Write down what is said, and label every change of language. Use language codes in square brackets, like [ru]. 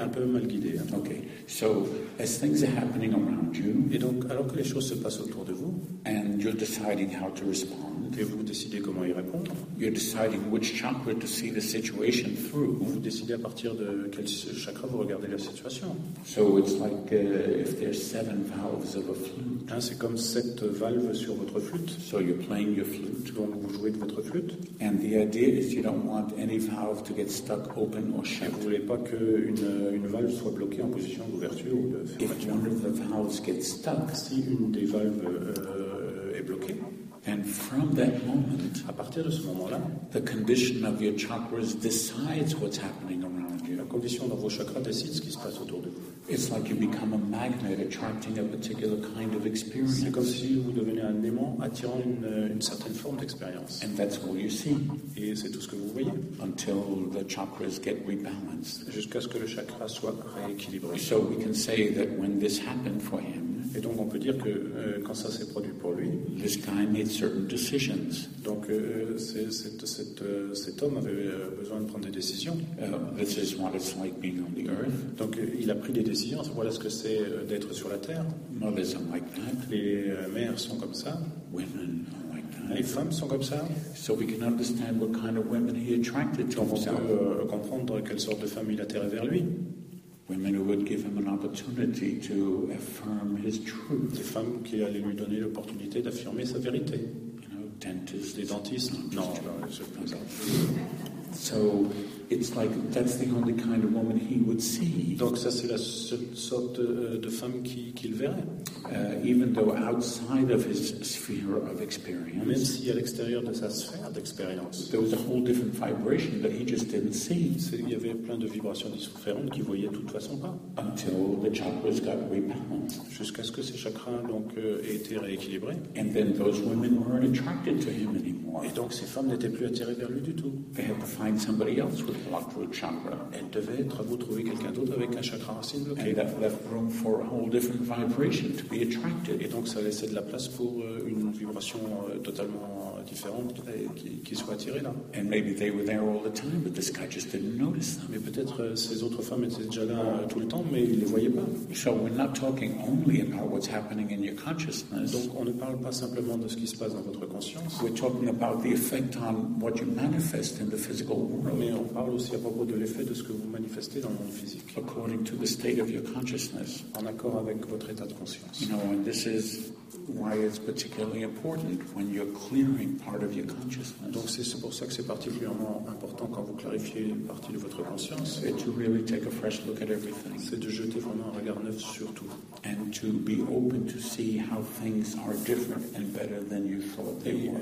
[fr] Un peu mal guidé. Hein. [en] Okay. So as things are happening around you. [fr] Et donc alors que les choses se passent autour de vous. [en] And you're deciding how to respond. [fr] Et vous décidez comment y répondre. [en] You're deciding which chakra to see the situation through. [fr] Vous décidez à partir de quel chakra vous regardez la situation. [en] So it's like if there's 7 valves of a flute. [fr] Hein, c'est comme 7 valves sur votre flûte. [en] So you're playing your flute. [fr] Donc vous jouez de votre flûte. [en] And the idea is you don't want any valve to get stuck open or shut. [fr] Vous voulez pas qu'une valve soit bloquée en position d'ouverture ou de fermeture. [en] If one of the valves gets stuck, [fr] si une des valves est bloquée, [en] and from that moment, [fr] à partir de ce moment-là, [en] the condition of your chakras decides what's happening around you. [fr] La condition dans vos chakras décide ce qui se passe autour de vous. [en] It's like you become a magnet attracting a particular kind of experience. [fr] C'est comme si vous devenez un aimant attirant une certaine forme d'expérience. [en] And that's all you see. [fr] Et c'est tout ce que vous voyez. [en] Until the chakras get rebalanced. [fr] Jusqu'à ce que le chakra soit rééquilibré. [en] So we can say that when this happened for him. [fr] Et donc on peut dire que quand ça s'est produit pour lui. [en] This guy made certain decisions. [fr] Donc cet homme avait besoin de prendre des décisions. [en] This is what it's like being on the earth. [fr] Donc il a pris des décisions. Voilà ce que c'est d'être sur la terre. [en] Mothers are like that. [fr] Les mères sont comme ça. [en] Women are like that. [fr] Les femmes sont comme ça. [en] So we can understand what kind of women he attracted to himself. [fr] Donc on peut comprendre quelle sorte de femme il attirait vers lui. [en] Women who would give him an opportunity to affirm his truth. [fr] Des femmes qui allaient lui donner l'opportunité d'affirmer sa vérité. [en] You know, dentists, [fr] les dentistes. Non, c'est pas ça. [en] So it's like that's the only kind of woman he would see. [fr] Donc ça c'est la seule sorte de femme qu'il verrait. [en] Even though outside of his sphere of experience. [fr] Même si à l'extérieur de sa sphère d'expérience. [en] There was a whole different vibration that he just didn't see. [fr] Il y avait plein de vibrations différentes qu'il voyait de toute façon pas. [en] Until the chakras got rebalanced. [fr] Jusqu'à ce que ses chakras donc aient été rééquilibrés. [en] And then those women weren't attracted to him anymore. [fr] Et donc ces femmes n'étaient plus attirées vers lui du tout. [en] They had to find somebody else with blocked root chakra. [fr] Elles devaient être à vous trouver quelqu'un d'autre avec un chakra racine bloqué. [en] And that left room for a whole different vibration. To be attracted. [fr] Et donc ça laissait de la place pour une vibration totalement différente et qui soit attirée là. [en] And maybe they were there all the time, but this guy just didn't notice them. [fr] Mais peut-être ces autres femmes étaient déjà là tout le temps, mais il les voyait pas. [en] So we're not talking only about what's happening in your consciousness. [fr] Donc on ne parle pas simplement de ce qui se passe dans votre conscience. [en] We're talking about about the effect on what you manifest in the physical world. [fr] Mais on parle aussi à propos de l'effet de ce que vous manifestez dans le monde physique. [en] According to the state of your consciousness. [fr] En accord avec votre état de conscience. [en] You know, and this is why it's particularly important when you're clearing part of your consciousness. [fr] Donc c'est pour ça que c'est particulièrement important quand vous clarifiez une partie de votre conscience. [en] And to really take a fresh look at everything. [fr] C'est de jeter vraiment un regard neuf sur tout. [en] And to be open to see how things are different and better than you thought they were.